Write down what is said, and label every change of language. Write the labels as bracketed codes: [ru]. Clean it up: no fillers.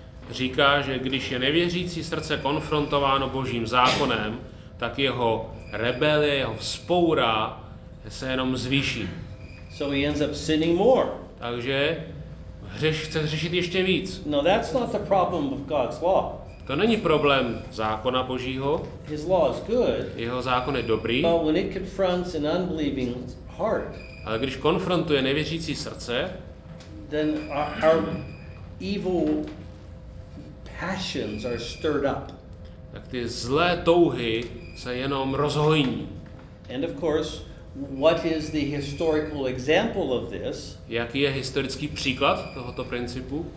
[cs] Říká, že když je nevěřící srdce konfrontováno Božím zákonem, tak jeho rebelie, jeho vzpoura se jenom zvýší. [en] So he ends up sinning more. [cs] Takže chce hřešit ještě víc. [en] No, that's not the problem of God's law. [cs] To není problém zákona Božího. [en] His law is good. [cs] Jeho zákon je dobrý. [en] But when it confronts an unbelieving heart. [cs] Ale když konfrontuje nevěřící srdce, [en] then our evil passions are stirred up. [cs] Tak ty zlé touhy se jenom rozhojní. [en] And of course, what is the historical example of this? [cs] Jaký je historický příklad tohoto principu?